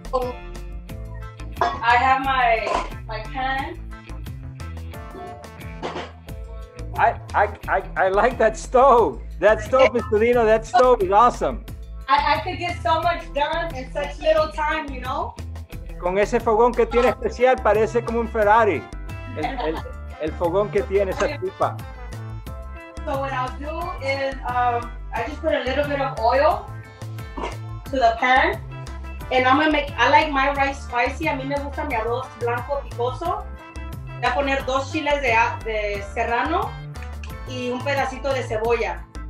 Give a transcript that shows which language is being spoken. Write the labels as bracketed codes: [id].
[en] So I have my pan. I like that stove. That stove, Mr. Lino, that stove is awesome. I could get so much done in such little time, you know? [es] Con ese fogón que tiene especial, parece como un Ferrari. El fogón que tiene esa tipa. [en] So what I'll do is, I just put a little bit of oil to the pan. And I'm gonna make, I like my rice spicy. [es] A mí me gusta mi arroz blanco picoso. Voy a poner dos chiles de serrano y un pedacito de cebolla.